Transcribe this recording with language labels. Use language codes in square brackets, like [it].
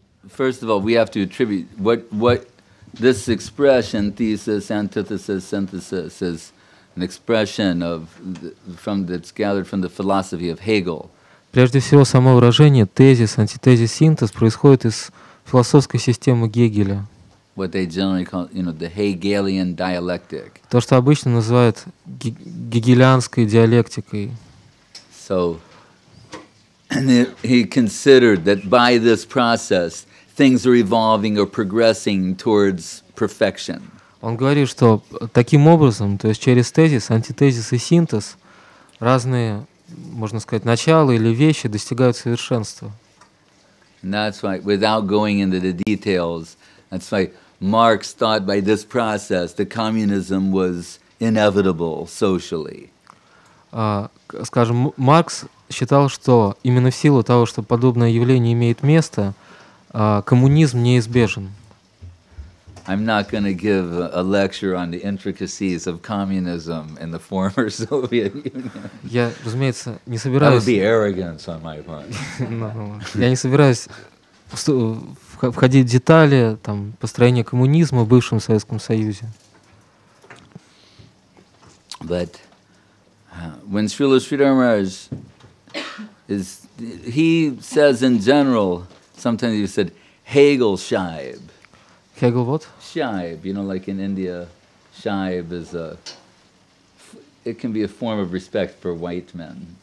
[en] first of all, we have to attribute what this expression, thesis, antithesis, synthesis, is an expression of from that's gathered from the philosophy of Hegel. [ru] Прежде всего, само выражение тезис, антитезис, синтез происходит из философской системы Гегеля. [en] What they generally call, you know, the Hegelian dialectic. [ru] То, что обычно называют гегелианской диалектикой. [en] So, and he considered that by this process things are evolving or progressing towards perfection. [ru] Он говорит, что таким образом, то есть через тезис, антитезис и синтез, разные, можно сказать, начала или вещи достигают совершенства. [en] And that's why, without going into the details, that's why Marx thought by this process the communism was inevitable socially. [ru] Скажем, Маркс считал, что именно в силу того, что подобное явление имеет место, коммунизм неизбежен. [en] I'm not going to give a lecture on the intricacies of communism in the former Soviet Union. [ru] Я, разумеется, не собираюсь. [en] That would be arrogance on my part. [ru] Я не собираюсь входить в детали там построения коммунизма в бывшем Советском Союзе. [en] But when Srila Sridhar Maharaj is, he says in general, sometimes he said Hegel Shaib. Hegel what? Shaib, you know, like in India, Shaib is a, it can be a form of respect for white men.